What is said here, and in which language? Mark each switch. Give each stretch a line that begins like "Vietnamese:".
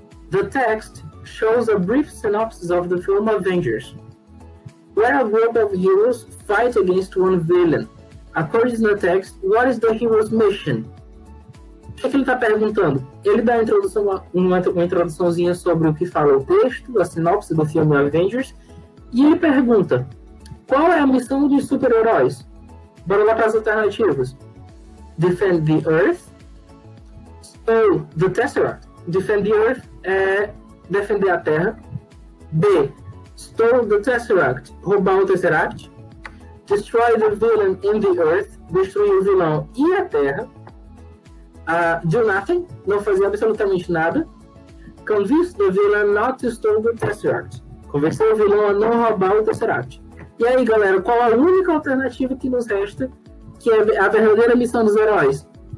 English: The text shows a brief synopsis of the film Avengers, where a group of heroes fight against one villain. According to the text, what is the hero's mission?
Portuguese: O que ele está perguntando? Ele dá uma introduçãozinha sobre o que fala o texto, a sinopse do filme Avengers, e ele pergunta, qual é a missão dos super-heróis? Bora lá para as alternativas.
English: Defend the Earth.
Portuguese: Ou
English: the Tesseract. Defend the Earth
Portuguese: é defender a Terra. B.
English: Stole the Tesseract.
Portuguese: Roubar o Tesseract.
English: Destroy the villain in the Earth.
Portuguese: Destruir o vilão e a Terra.
English: Do nothing.
Portuguese: Não fazer absolutamente nada.
English: Convince the villain not to steal the Tesseract.
Portuguese: Convencer o vilão a não roubar o Tesseract. E aí, galera, qual a única alternativa que nos resta, que é a verdadeira missão dos heróis?